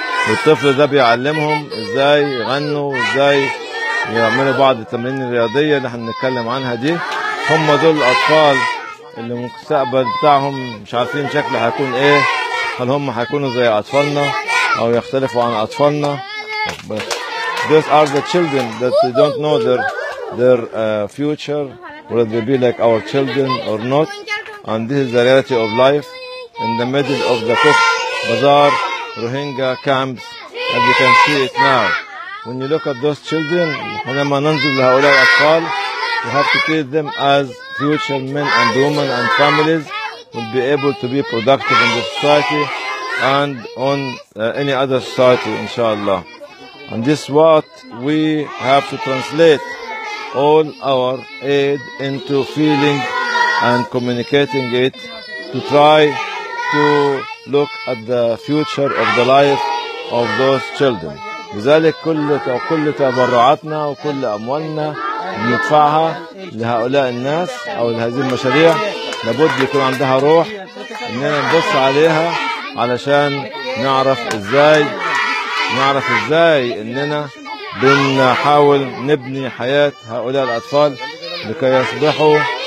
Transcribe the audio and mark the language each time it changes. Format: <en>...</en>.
<ar>والطفل ده بيعلمهم ازاي يغنوا وازاي يعملوا بعض التمارين الرياضية اللي هنتكلم عنها دي هم دول الأطفال اللي المستقبل بتاعهم مش عارفين شكله هيكون ايه هل هم هيكونوا زي أطفالنا أو يختلفوا عن أطفالنا بس</ar> <en>these are the children that they don't know their future whether they be like our children or not and this is the reality of life in the middle of the cook bazaar Rohingya camps, as you can see it now. When you look at those children,</en> <ar>ولما ننظر لهؤلاء الأطفال,</ar> <en>you have to treat them as future men and women and families will be able to be productive in the society and on any other society, inshallah. And this is what we have to translate all our aid into feeling and communicating it to try to look at the future of the life of those children.</en> <ar>لذلك كل تبرعاتنا وكل أموالنا بندفعها لهؤلاء الناس أو لهذه المشاريع لابد يكون عندها روح إننا نبص عليها علشان نعرف إزاي إننا بنحاول نبني حياة هؤلاء الأطفال لكي يصبحوا</ar>